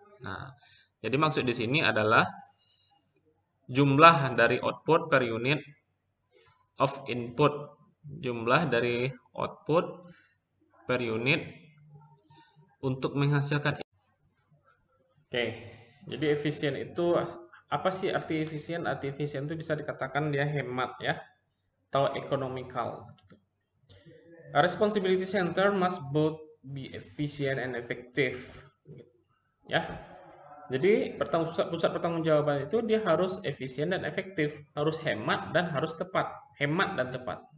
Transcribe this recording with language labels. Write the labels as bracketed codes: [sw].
[id] Nah, jadi maksud di sini adalah jumlah dari output [en] per unit of input, [id] jumlah dari output per unit untuk menghasilkan. Oke, Jadi efisien itu apa sih arti efisien? Arti efisien itu bisa dikatakan dia hemat ya, atau economical. Gitu. [en] A responsibility center must both be efficient and effective. [id] Gitu. Ya, jadi pusat pertanggungjawaban itu dia harus efisien dan efektif, harus hemat dan harus tepat, hemat dan tepat.